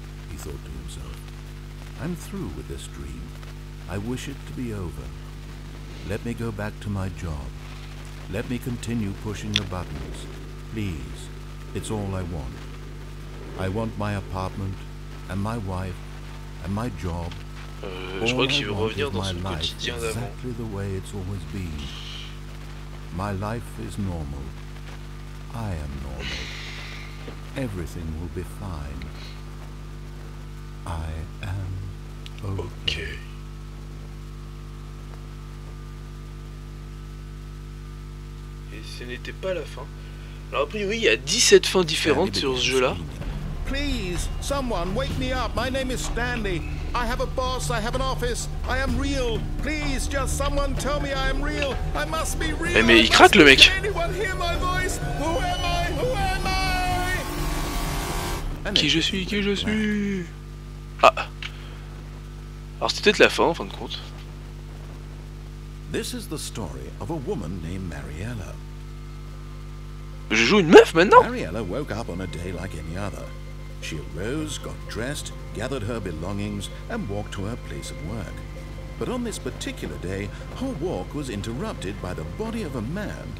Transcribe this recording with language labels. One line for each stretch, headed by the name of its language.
English: He thought to himself, I'm through with this dream. I wish it to be over. Let me go back to my job. Let me continue pushing the buttons. Please, it's all I want. I want my apartment, and my wife, and my job.
French: Je crois qu'il veut revenir dans son quotidien d'avant.
English: Exactly the way it's always been. My life is normal. I am normal. Everything will be fine. I am okay.
French: Et ce n'était pas la fin. Alors a priori, il y a 17 fins différentes sur ce jeu-là.
English: please, someone, wake me up. My name is Stanley. I have a boss, I have an office, I am real. Please, just someone tell me I am real. I must be real.
French: Mais il craque le mec.
English: Can anyone hear my voice? Who am I? Who am I?
French: Qui je suis? Qui je suis? Ah. Alors c'était peut-être la fin, en fin de compte.
English: This is the story of a woman named Mariella.
French: Je joue une meuf maintenant.
English: Mariella woke up on a day like any other. She arose, got dressed, gathered her belongings, and walked to her place of work. But on this particular day, her walk was interrupted by the body of a man